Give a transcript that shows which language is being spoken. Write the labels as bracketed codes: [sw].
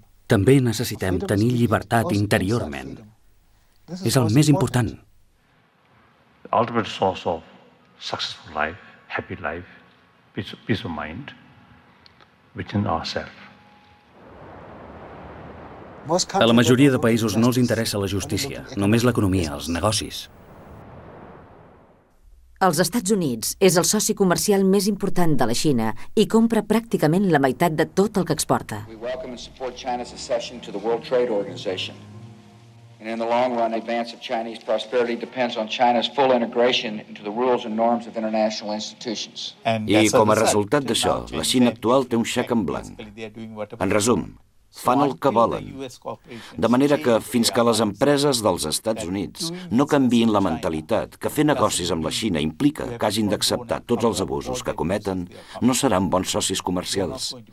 [ca] També necessitem tenir llibertat interiorment. És el més important. [en] The ultimate source of successful life, happy life, peace of mind, within ourselves. [ca] A la majoria de països no els interessa la justícia, només l'economia, els negocis. Els Estats Units és el soci comercial més important de la Xina i compra pràcticament la meitat de tot el que exporta. [en] We welcome and support China's accession to the World Trade Organization. And in the long run, the advance of Chinese prosperity depends on China's full integration into the rules and norms of international institutions. [ca] I com a resultat d'això, la Xina actual té un xec en blanc. En resum, fan el que volen. De manera que, fins que les empreses dels Estats Units no canviïn la mentalitat que fer negocis amb la Xina implica que hagin d'acceptar tots els abusos que cometen, no seran bons socis comercials.